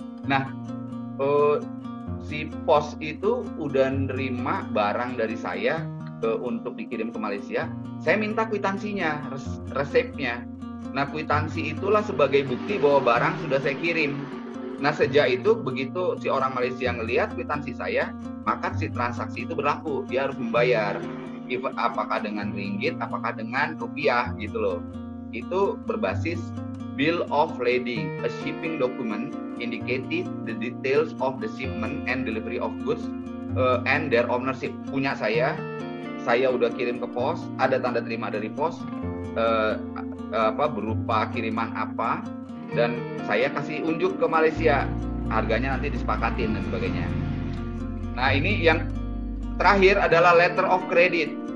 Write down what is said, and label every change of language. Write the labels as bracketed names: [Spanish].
[Indonesian] Nah, si pos itu udah nerima barang dari saya untuk dikirim ke Malaysia, saya minta kwitansinya, resepnya. Nah, kwitansi itulah sebagai bukti bahwa barang sudah saya kirim. Nah, sejak itu begitu si orang Malaysia ngelihat kwitansi saya, maka si transaksi itu berlaku, dia harus membayar. Apakah dengan ringgit, apakah dengan rupiah gitu loh. Itu berbasis [English] bill of lading, a shipping document indicating the details of the shipment and delivery of goods and their ownership. [Indonesian] Punya saya udah kirim ke pos, ada tanda terima dari pos, berupa kiriman apa, dan saya kasih unjuk ke Malaysia, harganya nanti disepakatin dan sebagainya. Nah, ini yang terakhir adalah letter of credit.